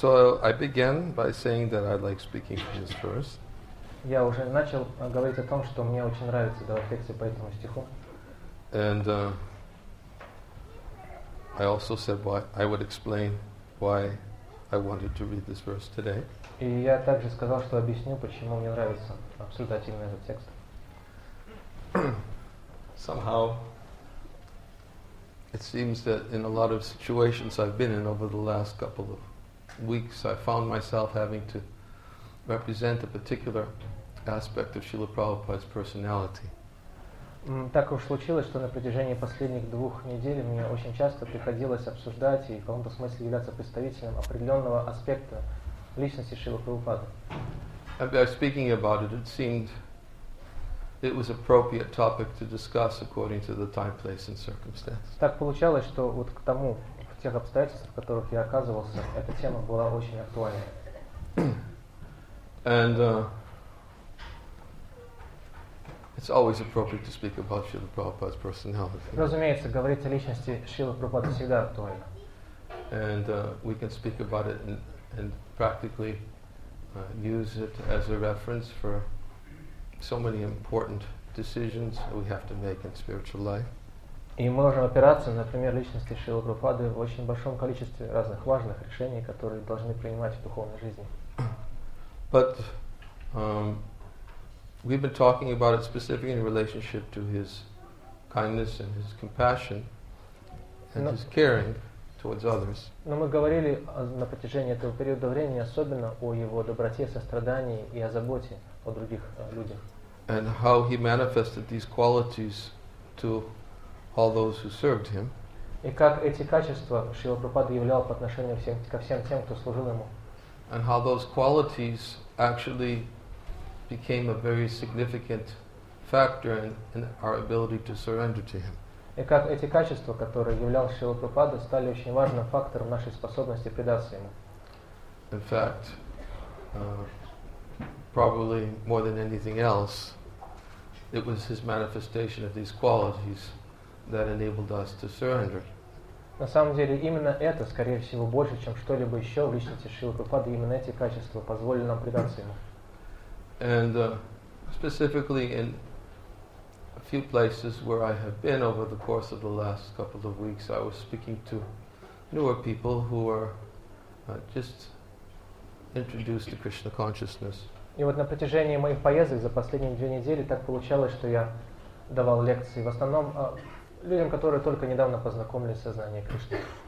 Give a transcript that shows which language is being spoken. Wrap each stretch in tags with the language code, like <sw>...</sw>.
<en>So I began by saying that I like speaking from this verse.</en> <ru>Я уже начал говорить о том, что мне очень нравится давать лекции по этому стиху.</ru> <en>And I also said why I would explain why I wanted to read this verse today.</en> <ru>И я также сказал, что объясню, почему мне нравится обсуждать именно этот текст.</ru> <en>Somehow it seems that in a lot of situations I've been in over the last couple of weeks, I found myself having to represent a particular aspect of Srila Prabhupada's personality.</en> <ru>Так уж случилось, что на протяжении последних двух недель мне очень часто приходилось обсуждать и в каком-то смысле являться представителем определенного аспекта личности Шрилы Прабхупады.</ru> <en>By speaking about it, it seemed it was appropriate topic to discuss according to the time, place and circumstance.</en> <ru>Так получалось, что вот к тому, в тех обстоятельствах, в которых я оказывался, эта тема была очень актуальна.</ru> <en>And it's always appropriate to speak about Srila Prabhupada's personality.</en> <ru>Разумеется, говорить о личности Шрилы Прабхупады всегда актуально.</ru> <en>And we can speak about it and practically use it as a reference for so many important decisions that we have to make in spiritual life.</en> <ru>И мы можем опираться, например, личности Шрилы Прабхупады в очень большом количестве разных важных решений, которые должны принимать в духовной жизни.</ru> <en>But we've been talking about it specifically in relationship to his kindness and his compassion and his caring towards others.</en> <ru>Но мы говорили на протяжении этого периода времени особенно о его доброте, сострадании и о заботе о других людях.</ru> <en>And how he manifested these qualities to all those who served him.</en> <ru>И как эти качества Шрила Прабхупада являл по отношению ко всем тем, кто служил ему.</ru> <en>And how those qualities actually became a very significant factor in our ability to surrender to him.</en> <ru>И как эти качества, которые являл Шрила Прабхупада, стали очень важным фактором нашей способности предаться ему.</ru> <en>In fact, probably more than anything else, it was his manifestation of these qualities that enabled us to surrender.</en> <ru>На самом деле, именно это, скорее всего, больше, чем что-либо еще в личности Шрилы Прабхупады, именно эти качества позволили нам предаться ему.</ru> <en>And specifically in a few places where I have been over the course of the last couple of weeks, I was speaking to newer people who are just introduced to Krishna consciousness.</en> <ru>И вот на протяжении моих поездок за последние две недели так получалось, что я давал лекции в основном людям, которые только недавно познакомились со знанием Кришны.</ru>